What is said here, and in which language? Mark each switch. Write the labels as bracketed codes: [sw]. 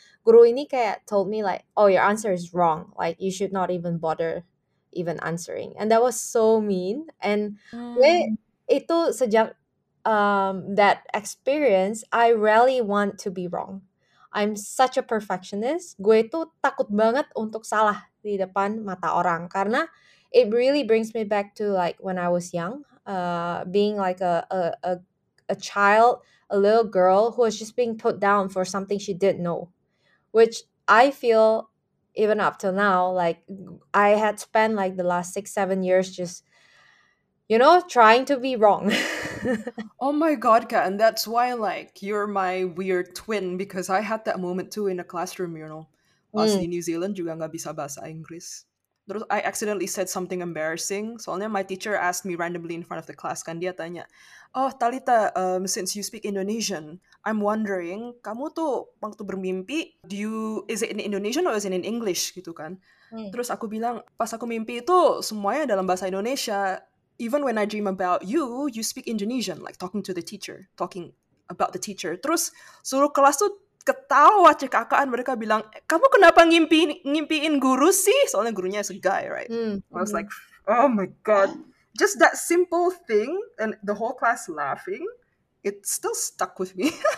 [id] Guru ini kayak [en] told me like, oh, your answer is wrong. Like, you should not even bother even answering. And that was so mean. And [id] gue itu sejak [en] that experience, I really want to be wrong. I'm such a perfectionist. [id] Gue itu takut banget untuk salah di depan mata orang. Karena [en] it really brings me back to like when I was young, being like a child, a little girl who was just being put down for something she didn't know, which I feel even up till now, like I had spent like the last 6-7 years just, you know, trying to be wrong. Oh my god, Kat, and that's why like you're my weird twin, because I had that moment too in a classroom, you know, [id] pas di New Zealand juga gak bisa bahasa Inggris. Terus [en] I accidentally said something embarrassing. [id] Soalnya [en] my teacher asked me randomly in front of the class, [id] kan dia tanya, [en] oh Talita, since you speak Indonesian, I'm wondering, [id] kamu tuh waktu bermimpi, [en] is it in Indonesian or is it in English [id] gitu kan? Terus aku bilang, pas aku mimpi itu semuanya dalam bahasa Indonesia. [en] Even when I dream about you, you speak Indonesian, like talking to the teacher, talking about the teacher. [id] Terus seluruh kelas tuh ketawa cekakaan, mereka bilang, kamu kenapa ngimpiin guru sih? Soalnya gurunya [en] is a guy, right? I was like, oh my god. Just that simple thing, and the whole class laughing, it still stuck with me.